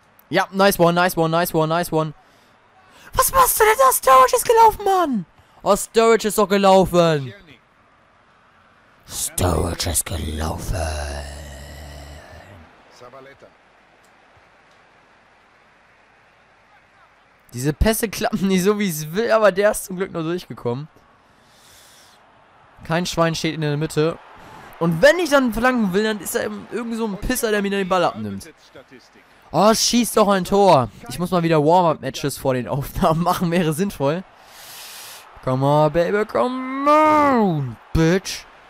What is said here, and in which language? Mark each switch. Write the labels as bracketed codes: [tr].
[en] Ja, nice one, nice one, nice one, nice one. [de] Was machst du denn da? Sturridge ist gelaufen, Mann. Oh, Sturridge ist doch gelaufen. Sturridge ist gelaufen. Diese Pässe klappen nicht so, wie es will, aber der ist zum Glück noch durchgekommen. Kein Schwein steht in der Mitte. Und wenn ich dann flanken will, dann ist da eben irgend so ein Pisser, der mir dann den Ball abnimmt. Oh, schießt doch ein Tor. Ich muss mal wieder Warm-Up-Matches vor den Aufnahmen machen, wäre sinnvoll. [en] Come on, baby, come on, bitch.